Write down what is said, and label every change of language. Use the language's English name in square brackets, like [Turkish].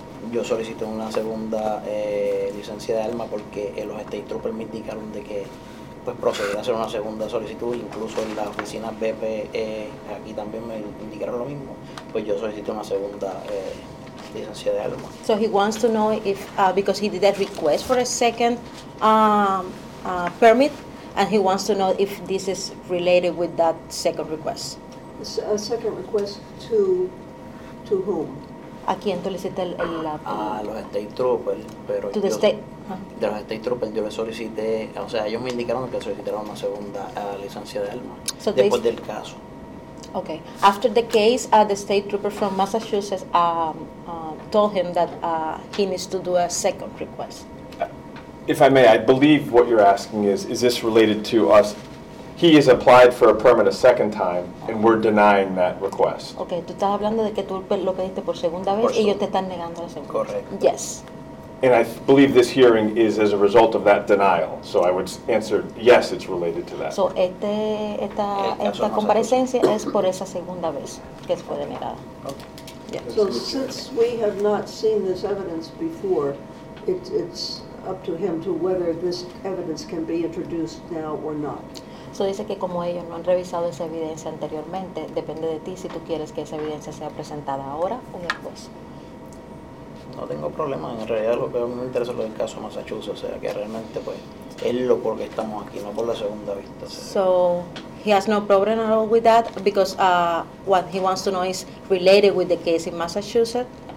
[Spanish] Yo solicité una segunda licencia de arma porque los state troopers me indicaron de que pues procedía a hacer una segunda solicitud, incluso en la oficina BP aquí también me indicaron lo mismo, pues yo solicité una segunda licencia de arma. [English] So he wants to know if because he did a request for a second permit, and he wants to know if this is related with that second request. A second request to whom? [Spanish] ¿A quién tú le hiciste la pregunta? A los state troopers, pero [English] to the state. [Spanish] De los state troopers yo le solicité, o sea, ellos me indicaron que solicitaron una segunda licencia de arma, so después del caso. [English] Okay, after the case, the state trooper from Massachusetts told him that he needs to do a second request. If I may, I believe what you're asking is this related to us? He has applied for a permit a second time, and we're denying that request. [Spanish] Okay, tú estás hablando de que tú lo pediste por segunda vez, y ellos te están negando la segunda. Correcto. [English] Yes. And I believe this hearing is as a result of that denial. So I would answer, yes, it's related to that. [Spanish] So esta comparecencia es por esa segunda vez que fue denegada. [English] So since we have not seen this evidence before, it's up to him to whether this evidence can be introduced now or not. [Spanish] So dice que como ellos no han revisado esa evidencia anteriormente, depende de ti si tú quieres que esa evidencia sea presentada ahora o después. No tengo problema. En realidad lo que me interesa es el caso Massachusetts, o sea que realmente pues es lo por lo que estamos aquí, no por la segunda vista. [English] So he has no problem at all with that, because what he wants to know is related with the case in Massachusetts.